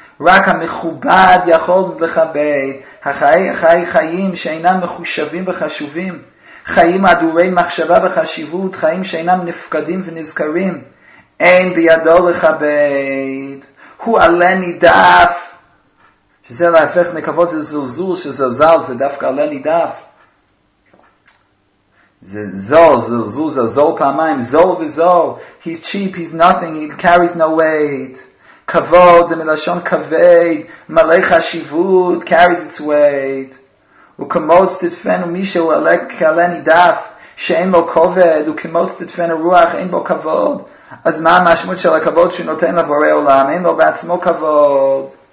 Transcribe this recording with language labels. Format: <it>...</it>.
<he>רק המכובד יכול לכבד. החיים שאינם מחושבים וחשובים, חיים אדורי מחשבה וחשיבות, חיים שאינם נפקדים ונזכרים, אין בידו לכבד. הוא עלה נידף, שזה להפך מכבוד, זה זלזול, שזלזל, זה דווקא עלה נידף. זה זול, זלזול, זלזול פעמיים, זול וזול.</he> <en>He's cheap, he's nothing, he carries no weight.</en> <he>כבוד זה מלשון כבד, מלא חשיבות,</he> <en>carries its weight.</en> <he>הוא כמוץ תדפנו מישהו עלה כעלה נידף, שאין לו כובד, הוא כמוץ תדפנו רוח, אין בו כבוד. אז מה המשמעות של הכבוד שהוא נותן לבורא עולם? אין לו בעצמו כבוד.</he>